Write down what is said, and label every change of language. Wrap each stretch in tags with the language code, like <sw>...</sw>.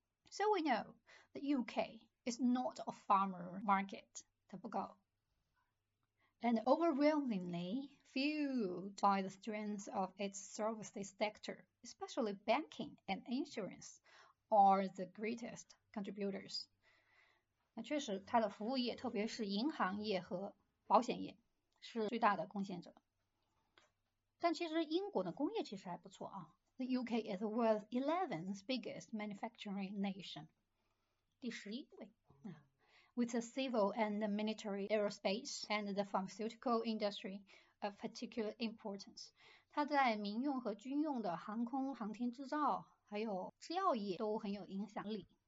<en>So we know the UK is not a farmer market,</en> <zh>它不够。</zh> <en>And overwhelmingly fueled by the strength of its services sector, especially banking and insurance, are the greatest contributors.</en> <zh>那确实它的服务业，特别是银行业和保险业，是最大的贡献者。但其实英国的工业其实还不错啊。</zh> <en>The UK is the world's 11th biggest manufacturing nation.</en> <zh>第十一位。</zh> <en>With the civil and the military aerospace and the pharmaceutical industry of particular importance.</en> <zh>它在民用和军用的航空、航天制造还有制药业都很有影响力。</zh>